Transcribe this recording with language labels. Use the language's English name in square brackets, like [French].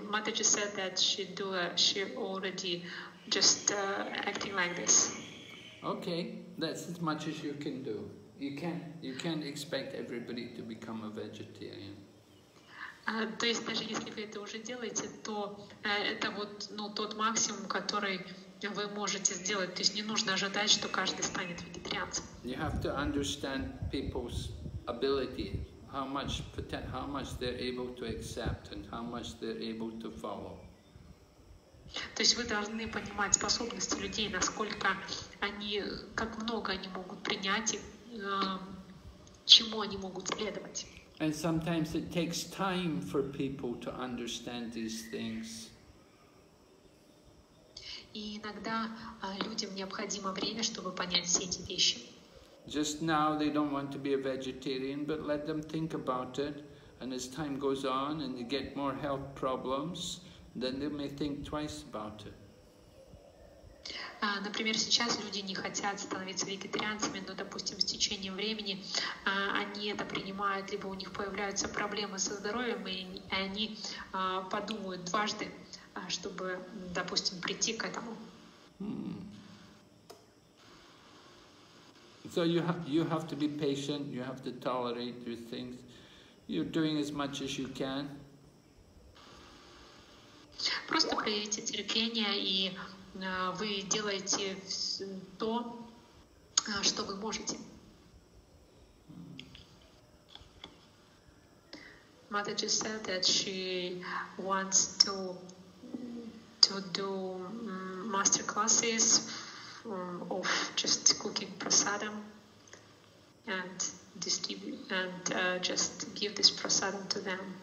[English] Mataji said that she do, she already just acting like this. Okay, that's as much as you can do. You can't expect everybody to become a vegetarian. [Russian] То есть даже если вы это уже делаете, то это вот ну тот максимум, который вы можете сделать. То есть не нужно ожидать, что каждый станет вегетарианцем. [English] You have to understand people's ability, how much they're able to accept and how much they're able to follow. [Russian] То есть вы должны понимать способности людей, насколько они, как много они могут принять и чему они могут следовать. [English] And sometimes it takes time for people to understand these things. [Russian] И иногда людям необходимо время, чтобы понять все эти вещи. [English] Just now they don't want to be a vegetarian, but let them think about it. And as time goes on and they get more health problems, then they may think twice about it. [Russian] Например, сейчас люди не хотят становиться вегетарианцами, но, допустим, с течением времени они это принимают, либо у них появляются проблемы со здоровьем, и они подумают дважды, чтобы, допустим, прийти к этому. [English] So you have to be patient, you have to tolerate your things. You're doing as much as you can. [Russian] Просто проявите терпение, и вы делаете то, что вы можете. [English] Mataji said that she wants to do master classes of just cooking prasadam and distribute and just give this prasadam to them.